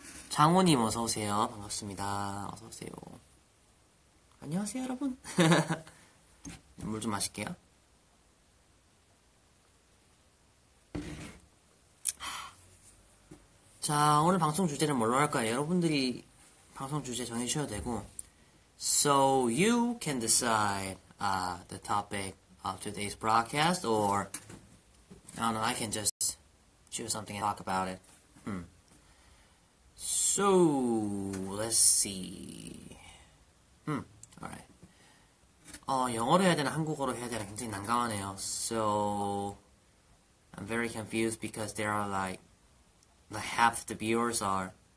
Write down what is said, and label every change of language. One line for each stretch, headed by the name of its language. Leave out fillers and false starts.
Korean: 장호님 어서오세요. 반갑습니다. 어서오세요. 안녕하세요, 여러분. 물 좀 마실게요. 자, 오늘 방송 주제는 뭘로 할까요? 여러분들이 방송 주제 정해주셔도 되고.
English: So you can decide the topic of today's broadcast, or I don't know, I can just choose something and talk about it. So, let's see. Alright.
Korean: 영어로 해야 되나 한국어로 해야 되나 굉장히 난감하네요.
English: So, I'm very confused because there are like half the viewers are.